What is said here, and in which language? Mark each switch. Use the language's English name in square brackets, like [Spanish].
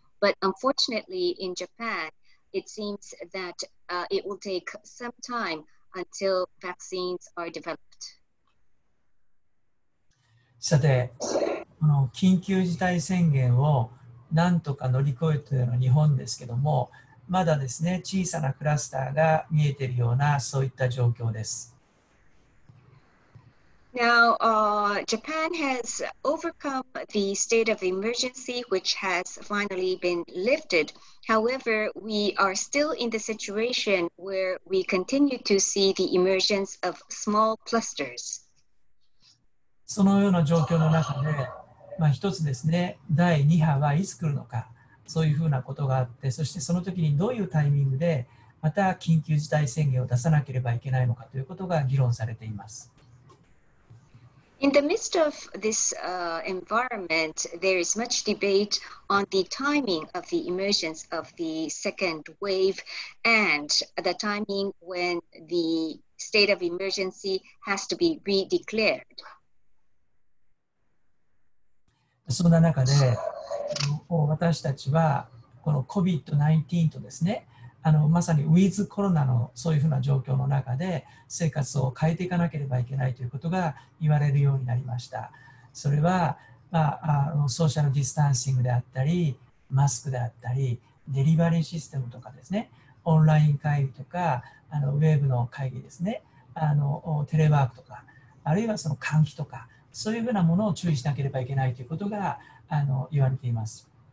[English] But unfortunately, in Japan, it seems that it will take some time until vaccines are developed. [Japanese] さて、この緊急事態宣言をなんとか乗り越えている日本ですけども、まだですね、小さなクラスターが見えているような、そういった状況です。 [English] Now, Japan has overcome the state of emergency, which has finally been lifted. However, we are still in the situation where we continue to see the emergence of small clusters. [Japanese] そのような状況の中で、まあ、一つですね、第2波はいつ来るのか、そういうふうなことがあって、そしてその時にどういうタイミングでまた緊急事態宣言を出さなければいけないのかということが議論されています。 [English] In the midst of this environment, there is much debate on the timing of the emergence of the second wave and the timing when the state of emergency has to be redeclared. [Japanese] そんな中で、私たちはこの COVID-19 とですね、まさにウィズコロナのそういうふうな状況の中で生活を変えていかなければいけないということが言われるようになりました。それは、まあ、ソーシャルディスタンシングであったりマスクであったりデリバリーシステムとかですね、オンライン会議とかウェブの会議ですね、テレワークとかあるいはその換気とかそういうふうなものを注意しなければいけないということが言われています。